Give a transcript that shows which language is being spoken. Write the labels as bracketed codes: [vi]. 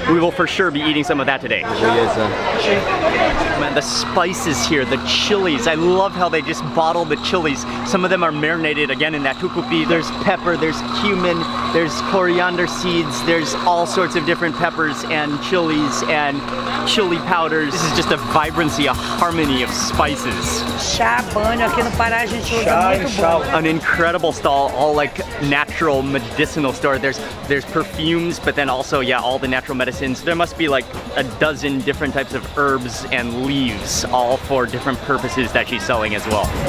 [en] We will for sure be eating some of that today. Man, the spices here, the chilies, I love how they just bottle the chilies. Some of them are marinated again in that tucupi. There's pepper, there's cumin, there's coriander seeds, there's all sorts of different peppers and chilies and chili powders. This is just a vibrancy, a harmony of spices. [pt] Chá, banho, aqui no Pará a gente usa muito bom. [en] An incredible stall, all like natural medicinal store. There's perfumes, but then also, yeah, all the natural medicines. There must be like a dozen different types of herbs and leaves, all for different purposes that she's selling as well.